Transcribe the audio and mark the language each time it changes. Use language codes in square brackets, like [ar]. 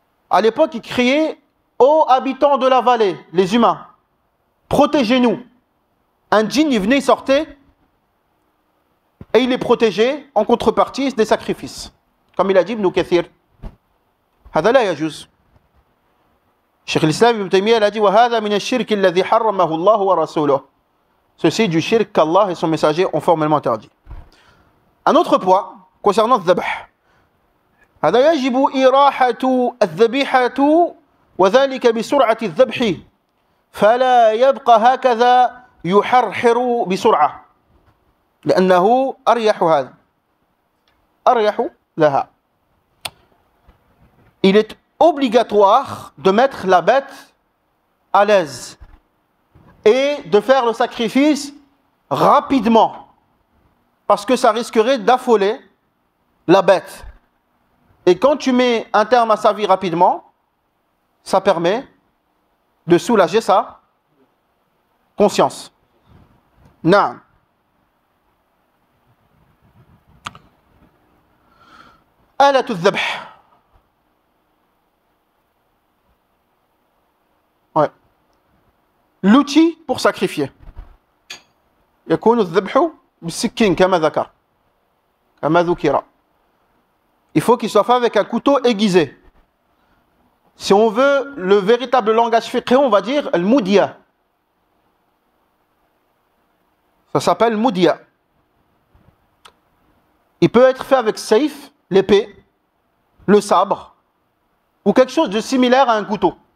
[fr] À l'époque, ils criaient ô habitants de la vallée, les humains, protégez-nous. Un djinn, il venait, il sortait Et il est protégé en contrepartie des sacrifices. Comme il a dit, Ibn Kathir. [ar] هذا لا يجوز. شيخ الإسلام ابن تيمية قال دي وهذا من الشرك الذي حرمه الله ورسوله. [fr] ceci du shirk qu'Allah et son messager ont formellement interdit. Un autre point concernant الذبح. [ar] هذا يجب إراحة الذبيحة وذلك بسرعة الذبح فلا يبقى هكذا يحرحر بسرعة لأنه أريح هذا أريح لها. [fr] Il est obligatoire de mettre la bête à l'aise et de faire le sacrifice rapidement parce que ça risquerait d'affoler la bête. Et quand tu mets un terme à sa vie rapidement, ça permet de soulager sa conscience. [ar] Naam. Alat al-dhabh. [fr] Ouais. L'outil pour sacrifier. [ar] يكون الذبح بالسكين كما ذكر. كما ذكر. [fr] Il faut qu'il soit fait avec un couteau aiguisé. Si on veut le véritable langage fiqhi, on va dire al-mudiya. Ça s'appelle mudiya. Il peut être fait avec saif, l'épée, le sabre ou quelque chose de similaire à un couteau.